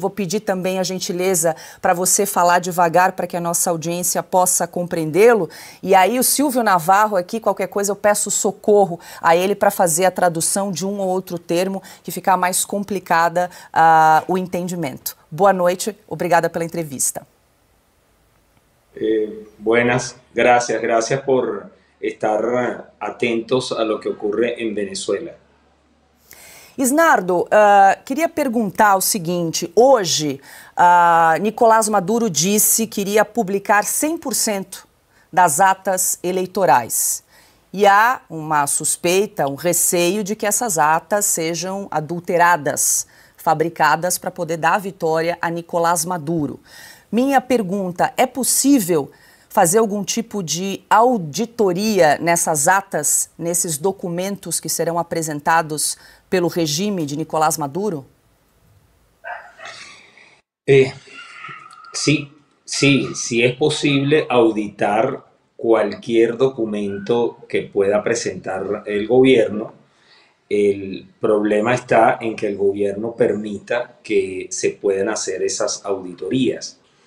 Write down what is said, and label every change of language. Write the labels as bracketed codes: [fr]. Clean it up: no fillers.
[pt] Vou pedir também a gentileza para você falar devagar para que a nossa audiência possa compreendê-lo. E aí, o Silvio Navarro aqui, qualquer coisa, eu peço socorro a ele para fazer a tradução de um ou outro termo que ficar mais complicada o entendimento. Boa noite, obrigada pela entrevista. [es] Buenas, gracias por estar atentos a lo que ocurre en Venezuela. [pt] Isnardo, queria perguntar o seguinte: hoje, Nicolás Maduro disse que iria publicar 100% das atas eleitorais. E há uma suspeita, um receio de que essas atas sejam adulteradas, fabricadas para poder dar a vitória a Nicolás Maduro. Minha pergunta: é possível fazer algum tipo de auditoria nessas atas, nesses documentos que serão apresentados pelo regime de Nicolás Maduro? [es] Sí, es posible auditar cualquier documento que pueda presentar el gobierno. El problema está en que el gobierno permita que se puedan hacer esas auditorías.